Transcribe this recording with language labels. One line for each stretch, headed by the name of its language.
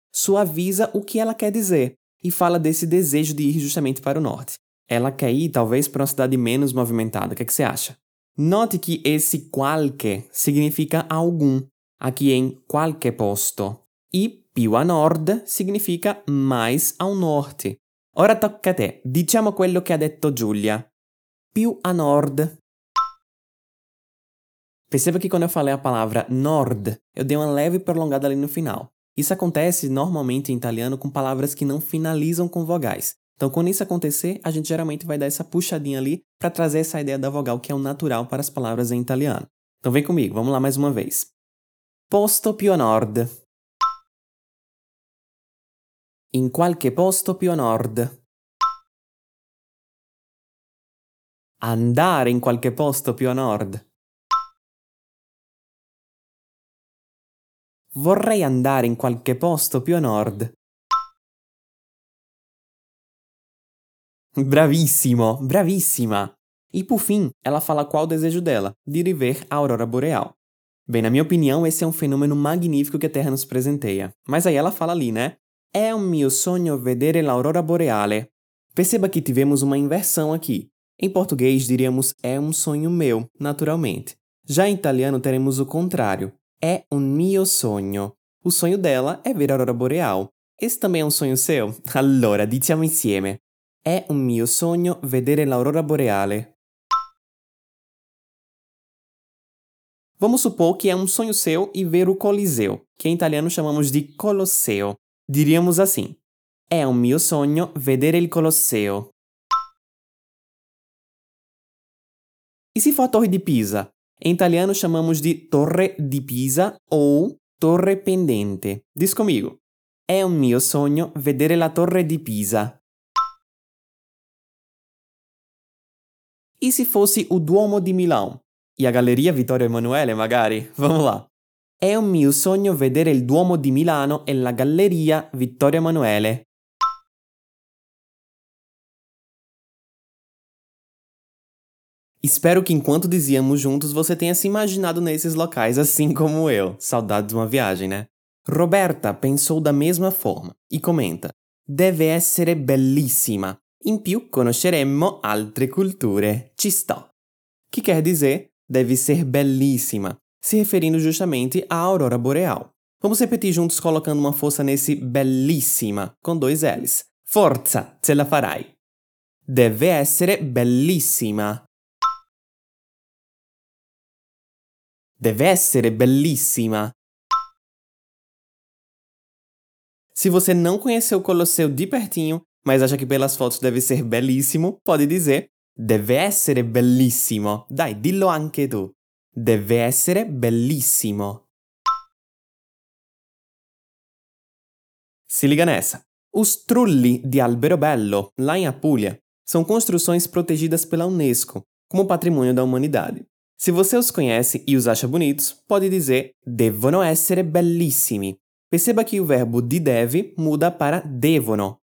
Portuguese: Suaviza o que ela quer dizer e fala desse desejo de ir justamente para o norte. Ela quer ir, talvez, para uma cidade menos movimentada. O que é que você acha? Note que esse "qualche" significa "algum", aqui em
Italian: "qualche posto".
Portuguese: E
Italian: "più a nord"
Portuguese: significa "mais ao norte".
Italian: Ora tocca a te. Diciamo quello che ha detto Giulia. Più a nord.
Portuguese: Perceba que quando eu falei a palavra "nord", eu dei uma leve prolongada ali no final. Isso acontece normalmente em italiano com palavras que não finalizam com vogais. Então, quando isso acontecer, a gente geralmente vai dar essa puxadinha ali para trazer essa ideia da vogal que é o natural para as palavras em italiano. Então, vem comigo, vamos lá mais uma vez.
Italian: Posto più a nord. In qualche posto più a nord. Andare in qualche posto più a nord. Vorrei andare in qualche posto più a nord. Bravissimo, bravissima!
Portuguese: E por fim, ela fala qual o desejo dela, de ir ver a aurora boreal. Bem, na minha opinião, esse é um fenômeno magnífico que a Terra nos presenteia. Mas aí ela fala ali, né?
Italian: È un mio sogno vedere l'aurora boreale.
Portuguese: Perceba que tivemos uma inversão aqui. Em português, diríamos "è un sogno meu", naturalmente. Já em italiano, teremos o contrário.
Italian: È un mio sogno.
Portuguese: O sonho dela é ver a aurora boreal. Esse também é um sonho seu?
Italian: Allora, diciamo insieme. È un mio sogno vedere l'aurora boreale.
Portuguese: Vamos supor que é um sonho seu e ver o Coliseu, que em italiano chamamos de Colosseo. Diríamos assim.
Italian: È un mio sogno vedere il Colosseo.
Portuguese: E se for a Torre de Pisa? Em italiano chamamos de Torre di Pisa ou Torre Pendente. Diz comigo.
Italian: È un mio sogno vedere la Torre di Pisa.
Portuguese: E se fosse o Duomo di Milão? E a Galleria Vittorio Emanuele, magari? Vamos lá.
Italian: È un mio sogno vedere il Duomo di Milano e la Galleria Vittorio Emanuele.
Portuguese: Espero que enquanto dizíamos juntos, você tenha se imaginado nesses locais assim como eu. Saudades de uma viagem, né? Roberta pensou da mesma forma e comenta:
Italian: deve essere bellissima. In più conosceremmo altre culture. Ci sto. Che
Portuguese: quer dizer? Deve ser bellissima. Se referindo justamente à aurora boreal. Vamos repetir juntos colocando uma força nesse bellissima com dois L's.
Italian: Forza, ce la farai. Deve essere bellissima. Deve essere bellissima.
Portuguese: Se você não conheceu o Colosseu de pertinho, mas acha que pelas fotos deve ser belíssimo, pode dizer
Italian: deve essere bellissimo. Dai, dillo anche tu. Deve essere bellissimo.
Portuguese: Se liga nessa. Os trulli di Alberobello, lá em Apulia, são construções protegidas pela Unesco, como patrimônio da humanidade. Se você os conhece e os acha bonitos, pode dizer
Italian: devono essere bellissimi.
Portuguese: Perceba que o verbo di deve muda para devono.